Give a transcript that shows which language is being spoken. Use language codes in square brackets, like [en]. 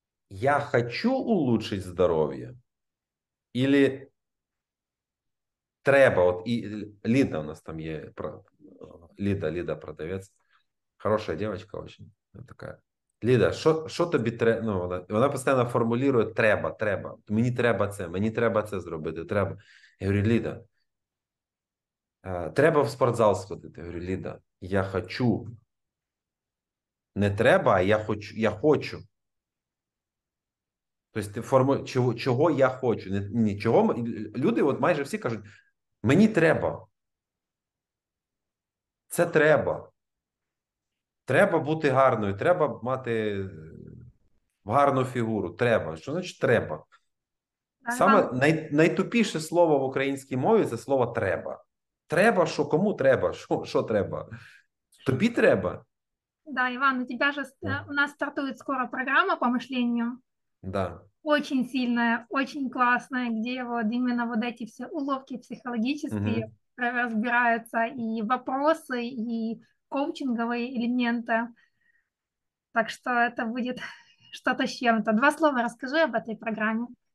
[ru] Я хочу улучшить здоровье или треба, вот и Лида у нас там есть, Лида, продавец. Хорошая девочка очень. Она такая. Лида, что тобі треба? Ну, она постоянно формулирует треба. [uk] Мені треба це зробити, треба. [ru] Я говорю, Лида, [uk] треба в спортзал сходити. [ru] Я говорю, Лида, я хочу. Не треба, а я хочу. [uk] Тобто, ти формулюєш, чого я хочу? Нічого. Люди от майже всі кажуть, мені треба. Це треба. Треба бути гарною, треба мати гарну фігуру. Треба. Що значить треба? Саме найтупіше слово в українській мові – це слово треба. Треба, що кому треба? Що треба? Тобі треба? Да, Іван, у тебе ж у нас стартує скоро програма по мисленню. [ru] Да. Очень сильная, очень классная, где вот именно вот эти все уловки психологические разбираются, и вопросы, и коучинговые элементы. Так что это будет что-то с чем-то. Два слова расскажи об этой программе.